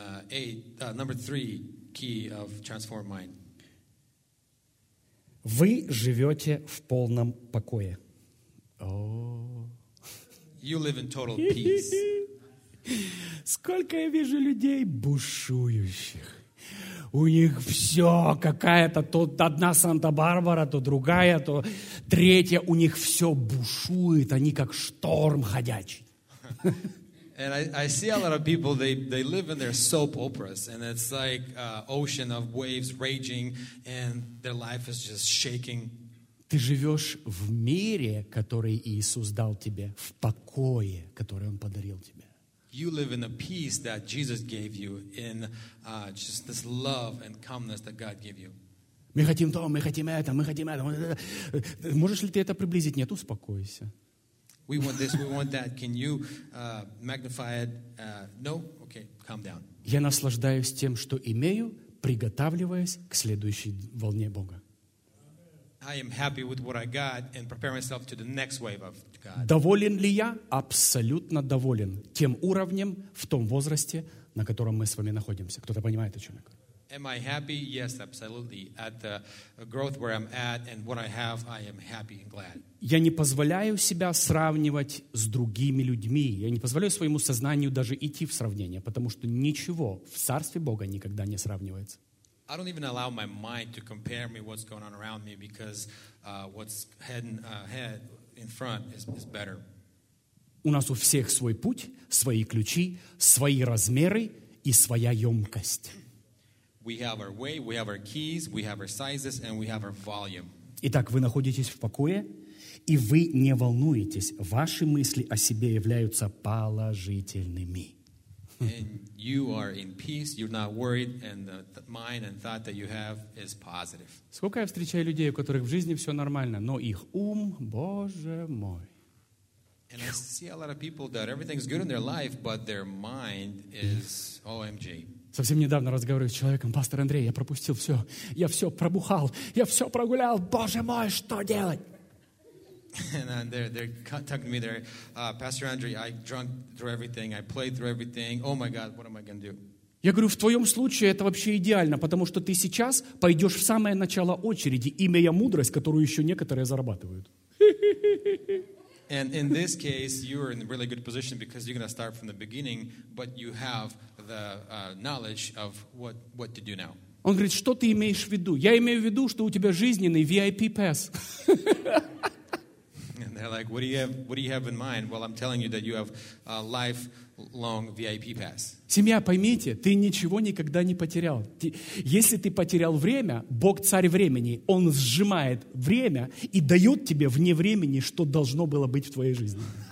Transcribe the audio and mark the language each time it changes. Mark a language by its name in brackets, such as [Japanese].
[English] And number three key of transformed mind. [Russian] Вы живете в полном покое. [English] You live in total peace. [Russian] Сколько я вижу людей бушующих. У них все, какая-то то одна Санта-Барбара, то другая, то третья. У них все бушует, они как шторм ходячий. [English] And I see a lot of people, they live in their soap operas, and it's like an ocean of waves raging, and their life is just shaking. [Russian] Ты живешь в мире, который Иисус дал тебе, в покое, который Он подарил тебе. [English] You live in the peace that Jesus gave you, in just this love and calmness that God gave you. [Russian] Мы хотим то, мы хотим это, мы хотим это. Можешь ли ты это приблизить? Нет, успокойся. [English] We want this, we want that. Can you magnify it? No? Okay, calm down. [Russian] Я наслаждаюсь тем, что имею, приготавливаясь к следующей волне Бога. [English] I am happy with what I got and prepare myself to the next wave of God. [Russian] Доволен ли я? Абсолютно доволен тем уровнем в том возрасте, на котором мы с вами находимся. Кто-то понимает, о чем я говорю? [English] Am I happy? Yes, absolutely. At the growth where I'm at and what I have, I am happy and glad. [Russian] Я не позволяю себя сравнивать с другими людьми. Я не позволяю своему сознанию даже идти в сравнение, потому что ничего в Царстве Бога никогда не сравнивается. [English] I don't even allow my mind to compare me what's going on around me because what's ahead in front is better. [Russian] У нас у всех свой путь, свои ключи, свои размеры и своя емкость. [English] We have our way, we have our keys, we have our sizes, and we have our volume. [Russian] Итак, вы находитесь в покое, и вы не волнуетесь. Ваши мысли о себе являются положительными. [English] And you are in peace, you're not worried, and the mind and thought that you have is positive. [Russian] Сколько я встречаю людей, у которых в жизни все нормально, но их ум, Боже мой. [English] And I see a lot of people that everything's good in their life, but their mind is OMG. [Russian] Совсем недавно разговариваю с человеком, пастор Андрей, я пропустил все, я все пробухал, я все прогулял, Боже мой, что делать? [English] And they're talking to me. They're, Pastor Andrew, I drunk through everything. I played through everything. Oh my God, what am I going to do? [Russian] Я говорю, в твоем случае это вообще идеально, потому что ты сейчас пойдешь в самое начало очереди, имея мудрость, которую еще некоторые зарабатывают. [English] And in this case, you're in a really good position because you're going to start from the beginning, but you have the knowledge of what to do now. [Russian] Он говорит, что ты имеешь в виду? Я имею в виду, что у тебя жизненный VIP pass. [English] And they're like, what do you have in mind? Well, I'm telling you that you have a lifelong VIP pass. [Russian] Семья, поймите, ты ничего никогда не потерял. Если ты потерял время, Бог царь времени, Он сжимает время и дает тебе вне времени, что должно было быть в твоей жизни.